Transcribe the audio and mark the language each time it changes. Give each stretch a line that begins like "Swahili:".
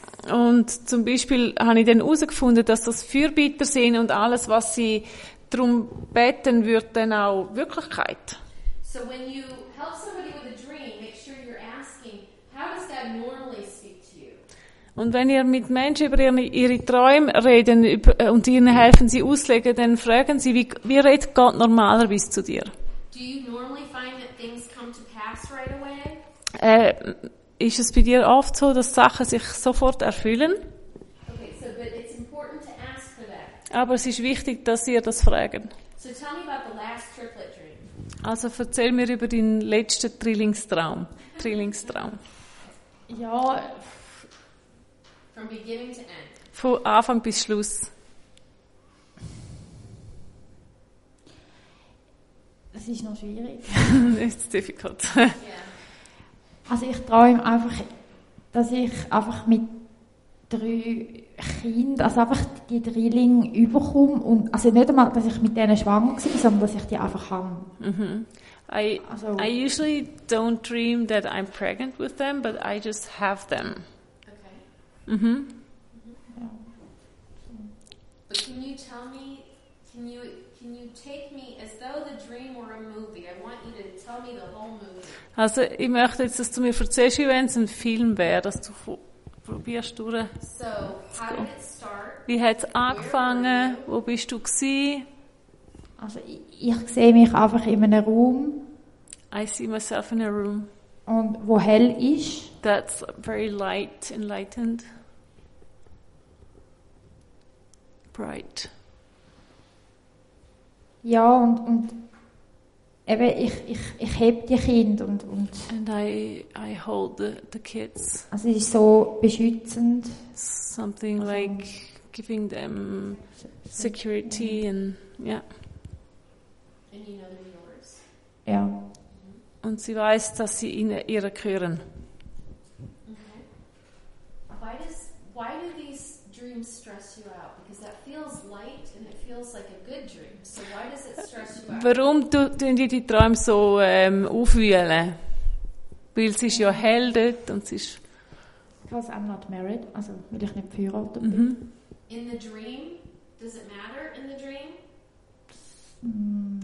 German: Und zum Beispiel habe ich dann herausgefunden, dass das Fürbitter sind und alles, was sie darum beten, wird dann auch Wirklichkeit.
English: So when you help somebody with a dream, make sure you're asking, how does God normally speak to you?
German: Und wenn ihr mit Menschen über ihre Träume reden und ihnen helfen, sie auslegen, dann fragen sie, wie redet Gott normalerweise zu dir?
English: Do you normally find that things come to pass right away?
German: Ist es bei dir oft so, dass Sachen sich sofort erfüllen?
English: Okay, so, but it's important to ask for that.
German: Aber es ist wichtig, dass ihr das fragen.
English: So tell me about the last triplet dream.
German: Also erzähl mir über deinen letzten Trillingstraum. Trillingstraum. Ja.
English: From beginning to end.
German: Von Anfang bis Schluss. Das ist noch schwierig.
English: It's difficult. Yeah.
German: Also ich träume einfach, dass ich einfach mit 3 Kindern, also einfach die Drillinge überkomme. Und also nicht einmal, dass ich mit denen schwanger war, sondern dass ich die einfach habe. Mm-hmm.
English: I usually don't dream that I'm pregnant with them, but I just have them. Okay. Mm-hmm. But can you take me as though the dream were a movie? I want you to tell me the whole movie.
German: Also, ich möchte jetzt, dass du mir erzählst, wie wenn es ein Film wäre, dass du probierst, durchzugehen. Wie hat es angefangen? Wo bist du gewesen? Also, ich sehe mich einfach in einem Raum.
English: I see myself in a room.
German: Und wo hell ist.
English: That's very light, enlightened. Bright.
German: Ja, und eben, ich heb die Kinder und
English: and I hold the kids.
German: Also es ist so beschützend.
English: Something also, like giving them security and yeah. And you know they're yours.
German: Ja. Und sie weiß, dass sie in ihrer gehören.
English: Okay. Why do these dreams stress you out? Because that feels light and it feels like a good dream. So why does it stress you out?
German: Warum tun die Träume so aufwühlen? Weil es ist ja hell dort und es ist.
English: Because I'm not married,
German: also weil ich nicht verheiratet bin.
English: Mm-hmm. In the dream, does it matter in the dream?